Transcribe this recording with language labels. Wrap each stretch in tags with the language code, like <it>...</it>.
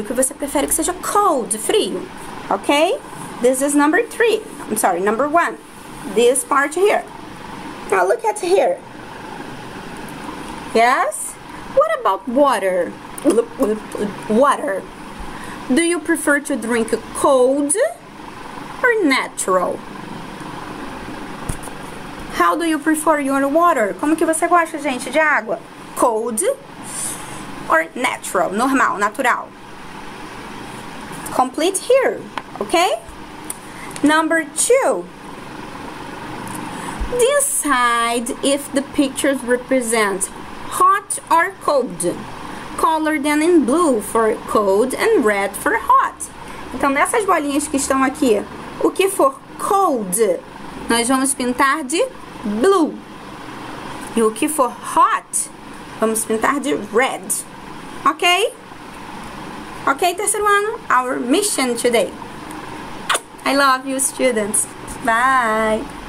<pt>O que você prefere que seja cold, frio, ok?</pt> <en>This is number three, I'm sorry, number one. This part here. Now look at here. Yes? What about water? Water. Do you prefer to drink cold or natural? How do you prefer your water?</en> <pt>Como que você gosta, gente, de água?</pt> <en>Cold or natural? Normal, natural. Complete here, okay? Number two. Decide if the pictures represent hot or cold. Color them in blue for cold and red for hot.</en> <pt>Então, nessas bolinhas que estão aqui, o que for cold, nós vamos pintar de blue. E o que for hot, vamos pintar de red. Ok? Ok, terceiro ano?</pt> <en>Our mission today. I love you, students. Bye.</en>